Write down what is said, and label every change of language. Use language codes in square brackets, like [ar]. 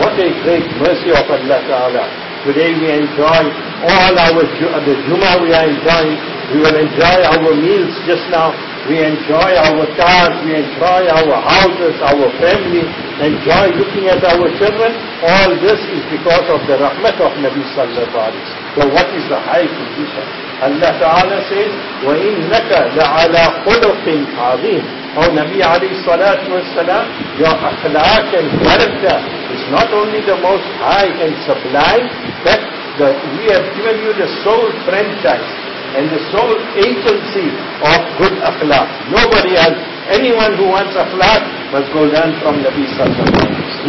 [en] What a great mercy of Allah Ta'ala. Today we enjoy all our the Jummah we are enjoying. We will enjoy our meals just now. We enjoy our cars. We enjoy our houses, our family. Enjoy looking at our children. All this is because of the rahmat of Nabi Sallallahu Alaihi Wasallam. So what is the high condition? Allah Ta'ala says, [ar] وَإِنَّكَ لَعَلَىٰ خُلُقٍ عَظِيمٍ. [en] Oh Nabi Ali Salatu Wasalam, your akhlaq and character is not only the most high and sublime, but we have given you the sole franchise and the sole agency of good akhlaq. Nobody else, anyone who wants akhlaq must go learn from Nabi Sallallahu Alaihi Wasallam.